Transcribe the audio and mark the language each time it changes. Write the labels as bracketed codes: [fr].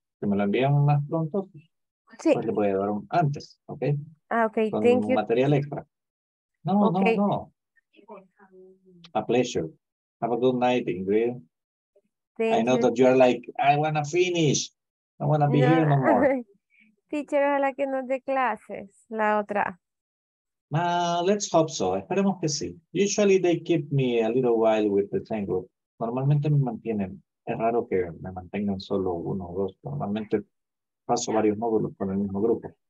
[es] Si me lo envían más pronto, sí. Pues le voy a dar un antes, okay? [en] Ah, okay, thank you. [es] Con material extra. No. [en] A pleasure. Have a good night, Ingrid. Thank you. That you are like, I want to finish. I want to be here no more. [es] Teacher, ojalá que nos dé clases la otra. [en] Let's hope so. [es] Esperemos que sí. [en] Usually they keep me a little while with the same group. [es] Normalmente me mantienen. Es raro que me mantengan solo uno o dos. Normalmente paso varios módulos con el mismo grupo.